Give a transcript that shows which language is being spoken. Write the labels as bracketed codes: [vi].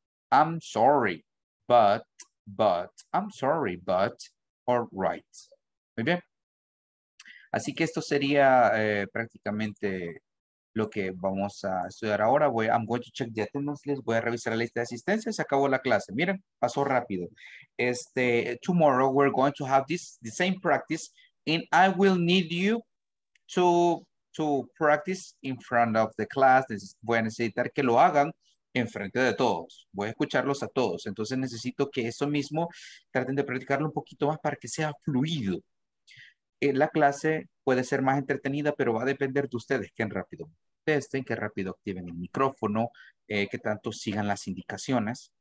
[en] I'm sorry, but, all right. [es] Muy bien. Así que esto sería prácticamente lo que vamos a estudiar ahora. [en] I'm going to check the attendance list. [es] Voy a revisar la lista de asistencia. Se acabó la clase. Miren, pasó rápido. [en] Tomorrow we're going to have the same practice, and I will need you to practice in front of the class. [es] Voy a necesitar que lo hagan en frente de todos. Voy a escucharlos a todos. Entonces necesito que eso mismo traten de practicarlo un poquito más para que sea fluido. La clase puede ser más entretenida, pero va a depender de ustedes qué rápido testen, qué rápido activen el micrófono, qué tanto sigan las indicaciones.